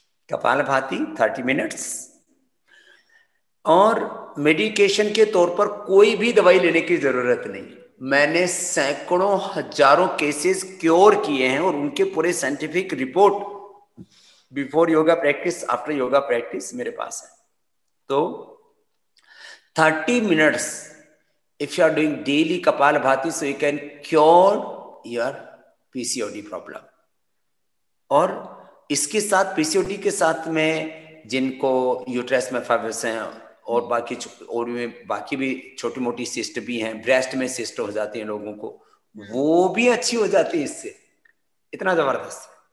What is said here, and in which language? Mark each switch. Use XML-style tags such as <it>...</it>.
<hi>कपाल भाति 30 मिनट्स, और मेडिकेशन के तौर पर कोई भी दवाई लेने की जरूरत नहीं। मैंने सैकड़ों हजारों केसेस क्योर किए हैं और उनके पूरे scientific report before yoga practice after yoga practice मेरे पास है। तो 30 minutes</hi> <en>If you are doing daily kapal bhati, so you can cure your PCOD problem.</en> <hi>और इसके साथ PCOD के साथ में जिनको यूट्रस में फाइब्रस हैं और बाकी और में बाकी भी छोटी मोटी सिस्ट भी हैं, ब्रेस्ट में सिस्ट हो जाती हैं लोगों को, वो भी अच्छी हो जाती है इससे, इतना जबरदस्त।</hi>